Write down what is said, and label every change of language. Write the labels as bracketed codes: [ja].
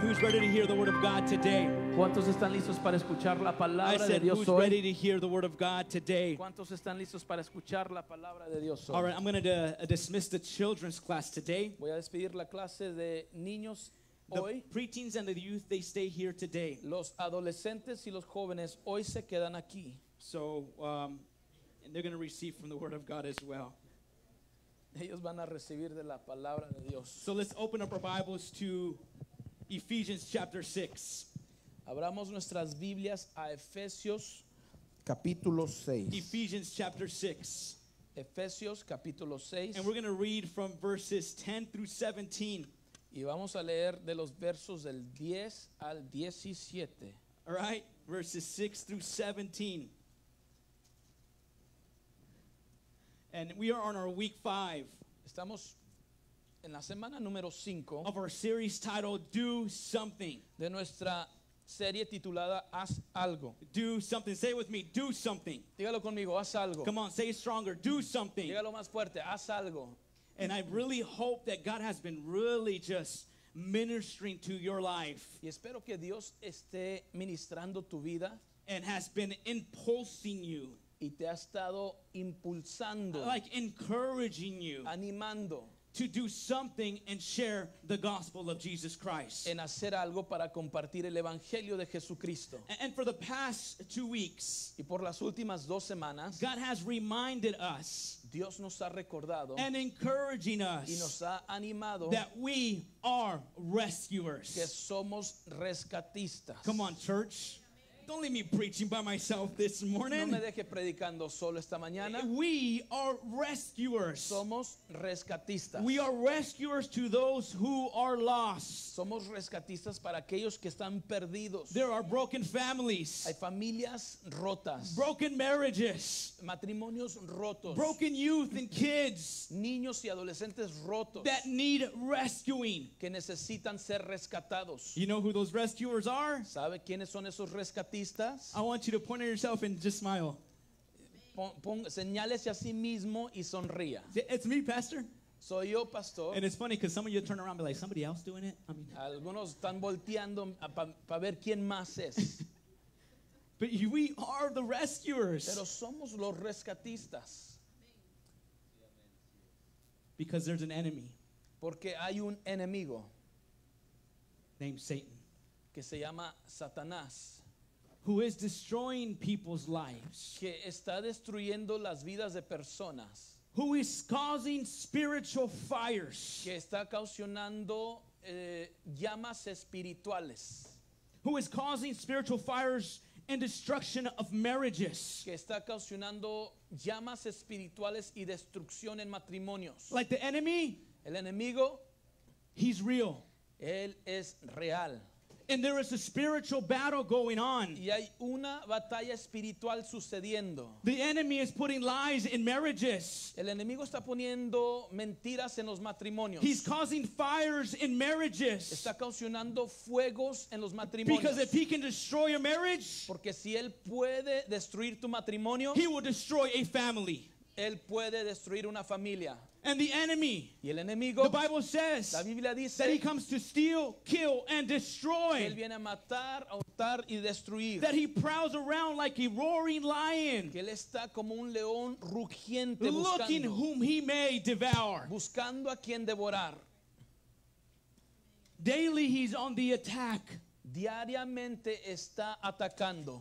[en] Who's ready to hear the word of God today? [es] ¿Cuántos están listos para escuchar la palabra [en] said, [es] de Dios [en] who's [es] hoy? [en] Ready to hear the word of God today? [es] ¿Cuántos están listos para escuchar la palabra de Dios hoy? [en] All right, I'm going to dismiss the children's class today. [es] Voy a despedir la clase de niños [en] the [es] hoy. [en] The preteens and the youth, they stay here today. [es] Los adolescentes y los jóvenes hoy se quedan aquí. [en] So, and they're going to receive from the word of God as well. [es] Ellos van a recibir de la palabra de Dios. [en] So let's open up our Bibles to Ephesians chapter 6. [es] Abramos nuestras Biblias a Efesios capítulo 6. [en] Ephesians chapter 6. [es] Efesios capítulo 6. [en] And we're going to read from verses 10 through 17. [es] Y vamos a leer de los versos del 10 al 17. [en] All right, verses 6 through 17. And we are on our week 5. [es] Estamos en la semana número 5. [en] Of our series titled Do Something. [es] De nuestra serie titulada Haz Algo. [en] Do something. Say it with me. Do something. [es] Dígalo conmigo. Haz algo. [en] Come on, say it stronger. Do something. [es] Dígalo más fuerte. Haz algo. [en] And I really hope that God has been really just ministering to your life. [es] Y espero que Dios esté ministrando tu vida. [en] And has been impulsing you. [es] Y te ha estado impulsando. [en] Like encouraging you. [es] Animando. [en] To do something and share the gospel of Jesus Christ. [es] En hacer algo para compartir el evangelio de Jesucristo. [en] And for the past 2 weeks. [es] Y por las últimas dos semanas. [en] God has reminded us. [es] Dios nos ha recordado. [en] And encouraging us. [es] Y nos ha animado. [en] That we are rescuers. [es] Que somos rescatistas. [en] Come on, church. Don't leave me preaching by myself this morning. [es] No me deje predicando solo esta mañana. [en] We are rescuers. [es] Somos rescatistas. [en] We are rescuers to those who are lost. [es] Somos rescatistas para aquellos que están perdidos. [en] There are broken families. [es] Hay familias rotas. [en] Broken marriages. [es] Matrimonios rotos. [en] Broken youth and kids. [es] Niños y adolescentes rotos. [en] That need rescuing. [es] Que necesitan ser rescatados. [en] You know who those rescuers are? [es] ¿Sabe quiénes son esos rescatistas? [en] I want you to point at yourself and just smile. [es] Señálese a sí mismo y sonría. [en] It's me, Pastor. [es] Soy yo, Pastor. [en] And it's funny because some of you turn around and be like, somebody else doing it? I mean, [es] algunos están volteando para ver quién más es. [en] But we are the rescuers. [es] Pero somos los rescatistas. [en] Because there's an enemy. [es] Porque hay un enemigo. [en] Named Satan. [es] Que se llama Satanás. [en] Who is destroying people's lives. [es] Que está destruyendo las vidas de personas. [en] Who is causing spiritual fires. [es] Que está causando llamas espirituales. [en] Who is causing spiritual fires and destruction of marriages. [es] Que está causando llamas espirituales y destrucción en matrimonios. [en] Like the enemy. [es] El enemigo. [en] He's real. [es] Él es real. [en] And there is a spiritual battle going on. [es] Y hay una batalla espiritual sucediendo. [en] The enemy is putting lies in marriages. [es] El enemigo está poniendo mentiras en los matrimonios. [en] He's causing fires in marriages. [es] Está causando fuegos en los matrimonios. [en] Because if he can destroy a marriage, [es] porque si él puede destruir tu matrimonio, [en] he will destroy a family. [es] Él puede destruir una familia. [en] And the enemy. [es] Y el enemigo, [en] the Bible says. [es] La Biblia dice, [en] that he comes to steal, kill, and destroy. [es] Él viene a matar, a hurtar y destruir. [en] That he prowls around like a roaring lion. [es] Que él está como un león rugiente [en] buscando. Looking whom he may devour. [es] Buscando a quien devorar. [en] Daily he's on the attack. [es] Diariamente está atacando.